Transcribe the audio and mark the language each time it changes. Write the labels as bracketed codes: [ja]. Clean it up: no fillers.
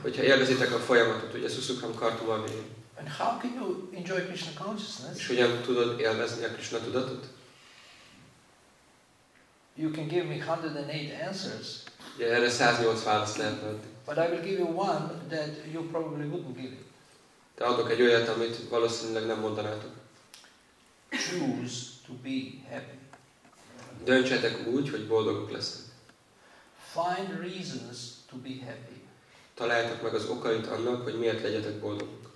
[hu] Hogyha élvezitek a folyamatot, ugye [sa] susukam kartum avyaya. [en] And how can you enjoy Krishna consciousness? [hu] És hogyan tudod élvezni a Krishna tudatot? [en] You can give me 108 answers. [hu] Ja, erre 108 választ lehet adni. [en] But I will give you one that you probably wouldn't give. [hu] De adok egy olyat, amit valószínűleg nem mondanátok. [en] Choose to be happy. [hu] Döntsetek úgy, hogy boldogok lesznek. [en] Find reasons to be happy. [hu] Találjátok meg az okait annak, hogy miért legyetek boldogok.